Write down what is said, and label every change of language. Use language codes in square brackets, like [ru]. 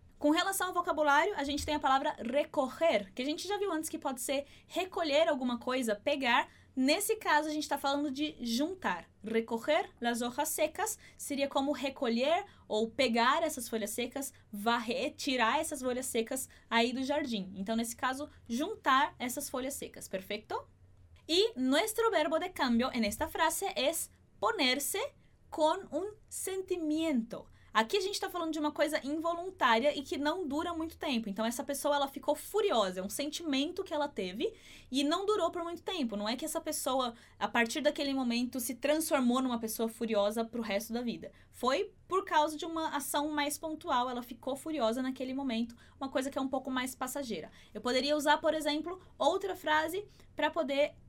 [pt] Com relação ao vocabulário, a gente tem a palavra recorrer, que a gente já viu antes que pode ser recolher alguma coisa, pegar. Nesse caso, a gente está falando de juntar. [es] Recorrer las hojas secas [pt] seria como recolher ou pegar essas folhas secas, varrer, tirar essas folhas secas aí do jardim. Então, nesse caso, juntar essas folhas secas, perfeito? [es] E nuestro verbo de cambio en esta frase es ponerse con un sentimiento. [pt] Aqui a gente está falando de uma coisa involuntária e que não dura muito tempo. Então, essa pessoa ela ficou furiosa, é um sentimento que ela teve e não durou por muito tempo. Não é que essa pessoa, a partir daquele momento, se transformou numa pessoa furiosa para o resto da vida. Foi por causa de uma ação mais pontual, ela ficou furiosa naquele momento, uma coisa que é um pouco mais passageira. Eu poderia usar, por exemplo, outra frase para poder